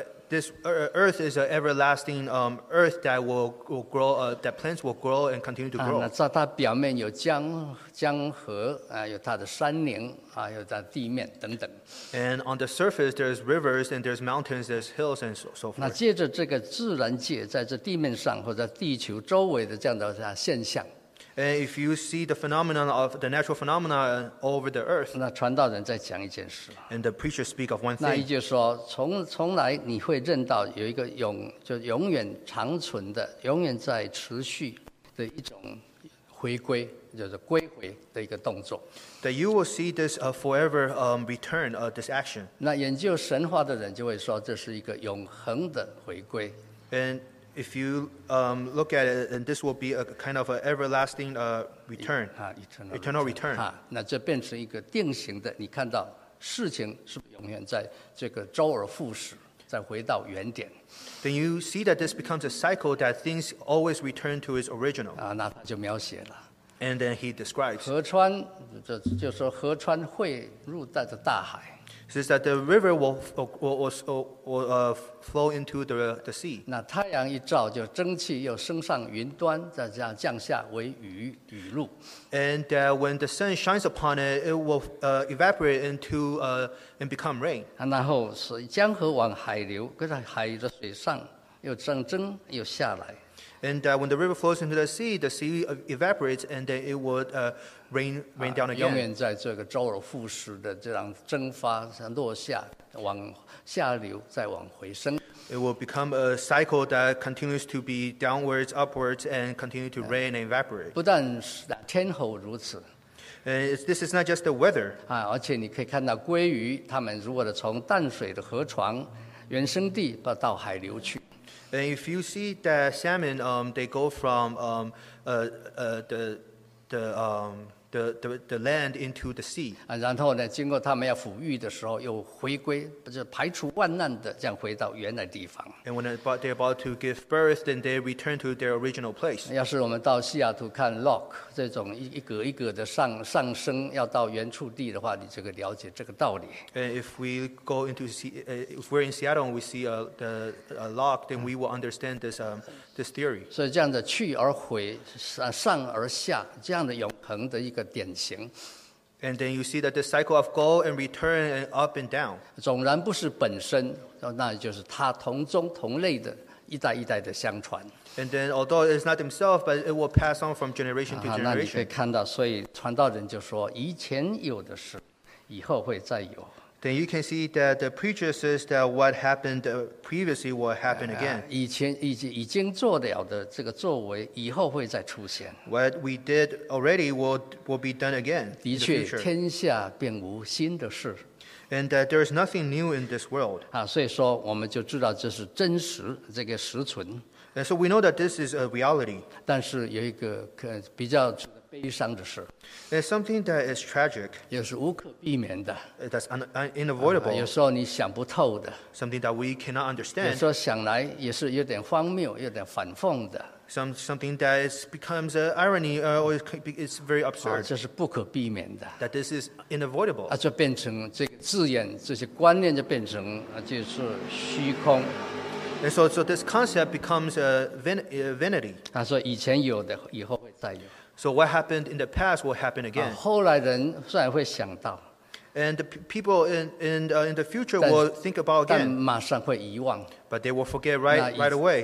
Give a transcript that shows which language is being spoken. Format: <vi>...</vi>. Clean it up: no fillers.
<en>This earth is an everlasting earth that will grow, that plants will grow and continue to grow.</en> <zh>那在它表面有江河，有它的山岭，有它的地面等等。</zh> <en>And on the surface, there's rivers and there's mountains, there's hills and so forth.</en> <zh>那借着这个自然界，在这地面上或者地球周围的这样的现象。</zh> <en>And if you see the phenomenon of the natural phenomena over the earth,</en> <zh>那传道人在讲一件事。</zh> <en>And the preacher speak of one thing.</en> <zh>那也就是说，从来你会认到有一个永远长存的、永远在持续的一种回归，就是归回的一个动作。</zh> <en>That you will see this forever return of this action.</en> <zh>那研究神话的人就会说，这是一个永恒的回归。</zh> <en>And if you look at it, then this will be a kind of an everlasting return, eternal return.</en> <zh>那这变成一个定型的，你看到事情是不是永远在这个周而复始，再回到原点。</zh> <en>Then you see that this becomes a cycle that things always return to its original.</en> <zh>那他就描写了。</zh> <en>And then he describes.</en> <zh>河川，这就是说河川汇入带着大海。</zh> <en>Says that the river will flow into the sea.</en> <zh>那太阳一照，就蒸汽又升上云端，再这样降下为雨露。</zh> <en>And when the sun shines upon it, it will evaporate into and become rain.</en> <zh>然后是江河往海流，跟着海的水上又蒸又下来。</zh> <en>And when the river flows into the sea evaporates, and then it would rain down again.</en> <zh>永远在这个周而复始的这样蒸发、落下、往下流、再往回升。</zh> <en>It will become a cycle that continues to be downwards, upwards, and continue to rain and evaporate.</en> <zh>不但天候如此。</zh> <en>This is not just the weather.</en> <zh>而且你可以看到鲑鱼，它们如果从淡水的河床、原生地到海流去。</zh> <en>And if you see that salmon, they go from the land into the sea.</en> <zh>然后呢，经过他们要抚育的时候，又回归，不是排除万难的这样回到原来地方。</zh> <en>And when they're about to give birth, then they return to their original place.</en> <zh>要是我们到西雅图看 Loch 这种一格一格的上升，要到原处地的话，你这个了解这个道理。</zh> <en>And if we go into if we're in Seattle, and we see a Loch, then we will understand this theory.</en> <zh>所以这样的去而回，上而下，这样的永恒的一个典型。</zh> <en>And then you see that the cycle of go and return and up and down.</en> <zh>纵然不是本身，那就是他同宗同类的一代一代的相传。</zh> <en>And then although it's not themselves, but it will pass on from generation to generation.</en> <zh>那你可以看到，所以传道人就说，以前有的事，以后会再有。</zh> <en>Then you can see that the preacher says that what happened previously will happen again.</en> <zh>已经做了的这个作为以后会再出现。</zh> <en>What we did already will be done again in the future.</en> <zh>的确，天下并无新的事。</zh> <en>And that there is nothing new in this world.</en> <zh>所以说我们就知道这是真实，这个实存。</zh> <en>And so we know that this is a reality.</en> <zh>但是有一个比较悲伤的事。</zh> <en>It's something that is tragic.</en> <zh>也是无可避免的。</zh> <en>That's unavoidable.</en> <zh>有时候你想不透的。</zh> <en>Something that we cannot understand.</en> <zh>有时候想来也是有点荒谬，有点反讽的。</zh> <en>Something that becomes an irony, or it's very absurd.</en> <zh>这是不可避免的。</zh> <en>That this is unavoidable.</en> <zh>就变成这个字眼，这些观念就变成就是虚空。</zh> <en>And so this concept becomes a vanity.</en> <zh>他说以前有的，以后会再有。</zh> <en>So what happened in the past will happen again.</en> <zh>后来人虽然会想到。</zh> <en>And the people in the future will think about again.</en> <zh>但马上会遗忘。</zh> <en>But they will forget right away.</en>